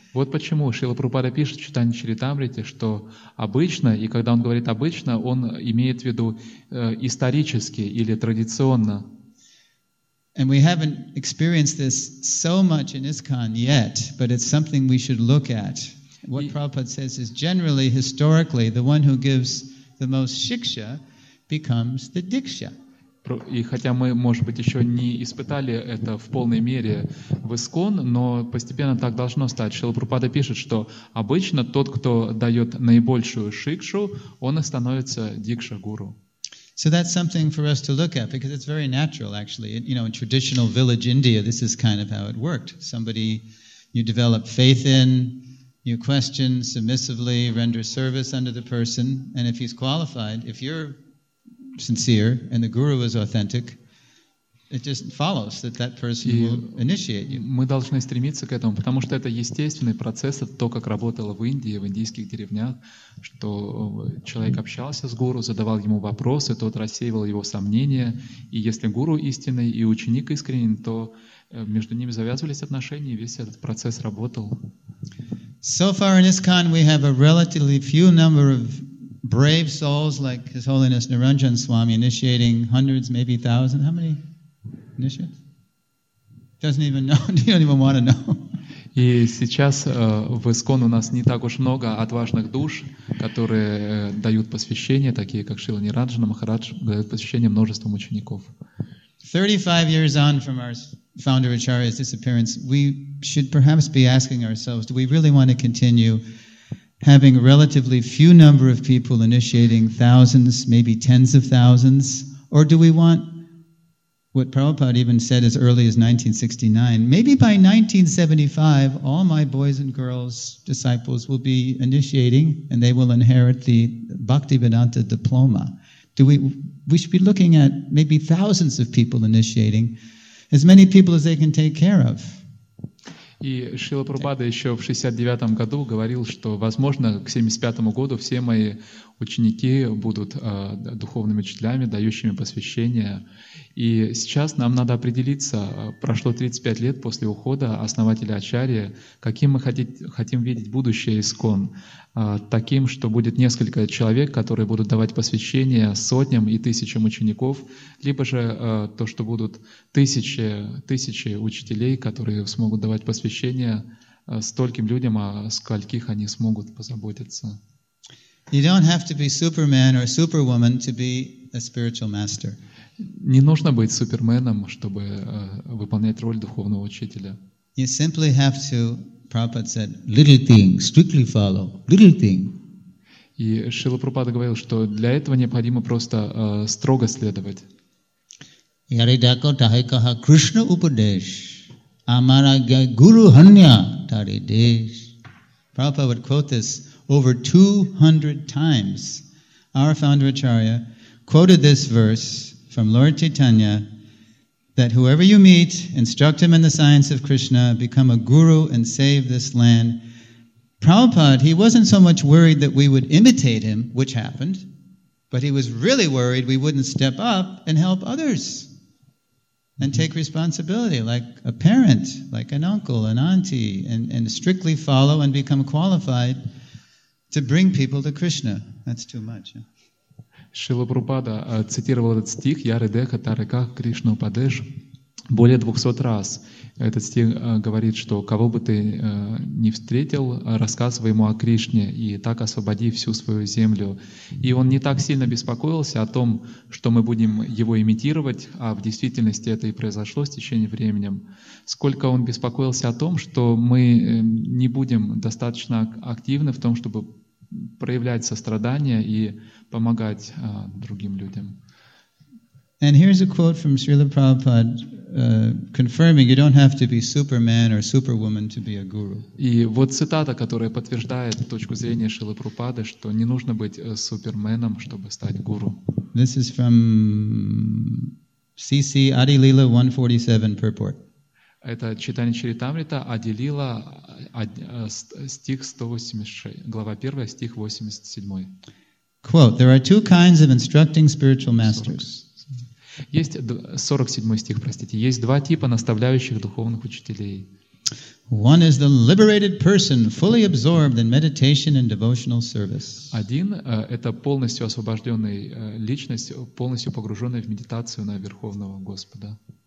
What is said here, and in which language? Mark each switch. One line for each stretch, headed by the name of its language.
Russian: Вот почему Шрила Прабхупада пишет в Читании Чаритамрите, что обычно, и когда он говорит обычно, он имеет в виду исторически или традиционно.
English: And we haven't experienced this so much in ISKCON yet, but it's something we should look at. What Prabhupada says is generally, historically, the one who gives the most shiksha becomes the diksha.
Russian: И хотя мы, может быть, еще не испытали это в полной мере в ИСКОН, но постепенно так должно стать. Шрила Прабхупада пишет, что обычно тот, кто дает наибольшую шикшу, он и становится дикша-гуру.
English: So that's something for us to look at, because it's very natural, actually. You know, in traditional village India, this is kind of how it worked. Somebody you develop faith in, you question submissively, render service under the person, and if he's qualified, if you're sincere, and the guru is authentic, it just follows that person will initiate you.
Russian: Мы должны стремиться к этому, потому что это естественный процесс, это то, как работало в Индии, в индийских деревнях, что человек общался с гуру, задавал ему вопросы, тот рассеивал его сомнения, и если гуру истинный и ученик искренен, то между ними завязывались отношения, и весь этот процесс работал.
English: So far in ISKCON we have a relatively few number of brave souls like His Holiness Niranjan Swami initiating hundreds, maybe thousands. How many initiates? Doesn't even know. You don't even want to know.
Russian: И сейчас в ИСКОН у нас не так уж много отважных душ, которые дают посвящение, такие как Шрила Ниранджана Махарадж дает посвящение множеством учеников.
English: 35 years on from our founder Acharya's disappearance, we should perhaps be asking ourselves, do we really want to continue having a relatively few number of people initiating thousands, maybe tens of thousands, or do we want what Prabhupada even said as early as 1969, maybe by 1975 all my boys and girls disciples will be initiating and they will inherit the Bhaktivedanta diploma. We should be looking at maybe thousands of people initiating, as many people as they can take care of.
Russian: И Шрила Прабхупада еще в 69-м году говорил, что, возможно, к 75-му году все мои ученики будут духовными учителями, дающими посвящение. И сейчас нам надо определиться, прошло 35 лет после ухода основателя Ачарьи, каким мы хотим видеть будущее ИСККОН. Таким, что будет несколько человек, которые будут давать посвящение сотням и тысячам учеников, либо же то, что будут тысячи учителей, которые смогут давать посвящение стольким людям, о скольких они смогут позаботиться.
English: You don't have to be Superman or Superwoman to be a spiritual master.
Russian: Не нужно быть суперменом, чтобы выполнять роль духовного учителя.
English: You simply have to, Prabhupada said, little thing, strictly follow, little thing.
Russian: И Шрила Прабхупада говорил, что для этого необходимо просто строго следовать.
Bangla: Яри дако тахи каха Кришна упадеш, амара гуру ханья тари деш.
English: Prabhupada would quote this over 200 times. Our founder Acharya quoted this verse from Lord Chaitanya that whoever you meet, instruct him in the science of Krishna, become a guru and save this land. Prabhupada, he wasn't so much worried that we would imitate him, which happened, but he was really worried we wouldn't step up and help others and take responsibility like a parent, like an uncle, an auntie, and strictly follow and become qualified to bring people to Krishna. That's too much.
Russian: Шрила Прабхупада цитировал этот стих
Bangla: «Яры деха тареках Кришна упадеш»
Russian: более 200 раз. Этот стих говорит, что кого бы ты ни встретил, рассказывай ему о Кришне и так освободи всю свою землю. И он не так сильно беспокоился о том, что мы будем его имитировать, а в действительности это и произошло с течением времени, сколько он беспокоился о том, что мы не будем достаточно активны в том, чтобы проявлять сострадание и помогать другим людям.
English: And here's a quote from Srila Prabhupada confirming you don't have to be Superman or Superwoman to be a guru.
Russian: И вот цитата, которая подтверждает точку зрения Шрилы Прабхупады, что не нужно быть суперменом, чтобы стать гуру.
English: This is from CC Adi Lila 147 purport.
Russian: Это читание Чаритамрита Ади Лила, стих 186, глава 1, стих 87.
English: Quote, there are two kinds of instructing spiritual masters.
Russian: 47 стих, простите. Есть два типа наставляющих духовных учителей.
English: One is the liberated person, fully absorbed in meditation and devotional service.
Russian: Один — это полностью освобожденная личность, полностью погруженная в медитацию на Верховного Господа.